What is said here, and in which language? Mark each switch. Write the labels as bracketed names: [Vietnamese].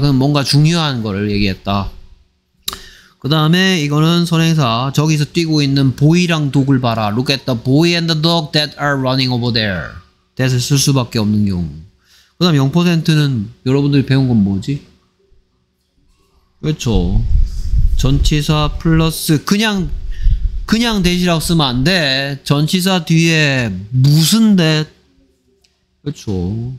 [Korean] 그건 뭔가 중요한 거를 얘기했다. 그 다음에 이거는 선행사 저기서 뛰고 있는 보이랑 독을 봐라. [English] Look at the boy and the dog that are running over there. [Korean] That을 쓸 수밖에 없는 경우. 그 다음 0%는 여러분들이 배운 건 뭐지? 그렇죠. 전치사 플러스 그냥 대시라고 쓰면 안 돼. 전치사 뒤에 무슨 대? 그렇죠.